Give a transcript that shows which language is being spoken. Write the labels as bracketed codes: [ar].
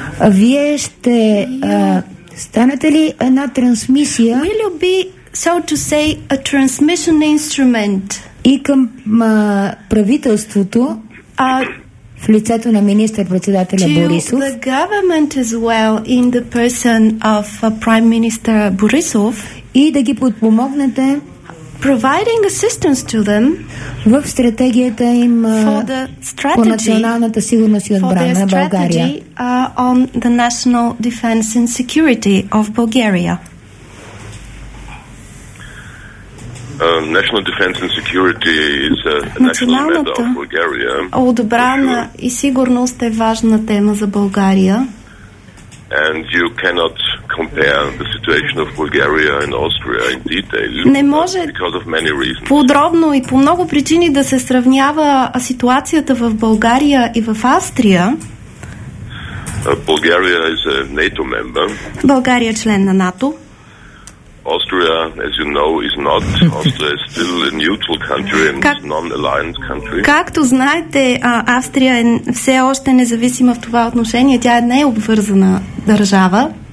[bg] Вие ще станете ли една трансмисия? [en] Will you be, so to say, a transmission instrument? [bg] И към правителството, в лицето на министър-председателя Борисов. [en] To the government as well in the person of Prime Minister Борисов. [bg] И да ги подпомогнете, [en] providing assistance to them, [bg] в стратегията им по националната сигурност и отбрана на България. [en] On the national defense and security of Bulgaria. National defense and security is a national matter of Bulgaria. [bg] Отбрана и сигурност е важна тема за България. [en] And you cannot compare the situation of Bulgaria and Austria in detail. [bg] Не може подробно и по много причини да се сравнява ситуацията в България и в Австрия. [en] Bulgaria is a NATO member. [bg] България е член на НАТО. [en] Austria, as you know, is not. Austria is still a neutral country and non-aligned country. [bg] Както знаете, Австрия е все още независима в това отношение. Тя не е обвързана държава.